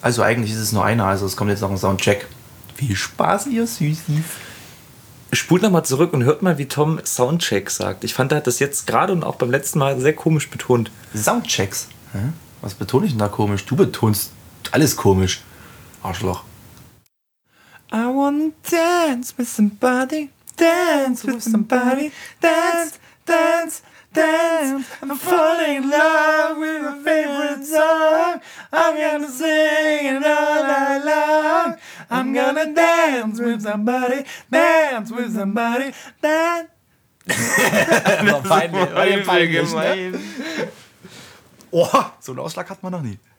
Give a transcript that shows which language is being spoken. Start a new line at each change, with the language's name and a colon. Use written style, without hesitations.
German: Also eigentlich ist es nur einer, also es kommt jetzt noch ein Soundcheck. Viel Spaß, ihr Süßen. Spult nochmal zurück und hört mal, wie Tom Soundcheck sagt. Ich fand, er hat das jetzt gerade und auch beim letzten Mal sehr komisch betont. Soundchecks? Hä? Was betone ich denn da komisch? Du betonst alles komisch, Arschloch.
English: I wanna dance with somebody, dance with somebody, dance, dance, dance. I'm falling in love with my favorite song. I'm gonna sing it all night long. I'm gonna dance with somebody, dance with somebody, dance.
German: War peinlich, war peinlich, ne? Oh, so einen Ausschlag hat man noch nie.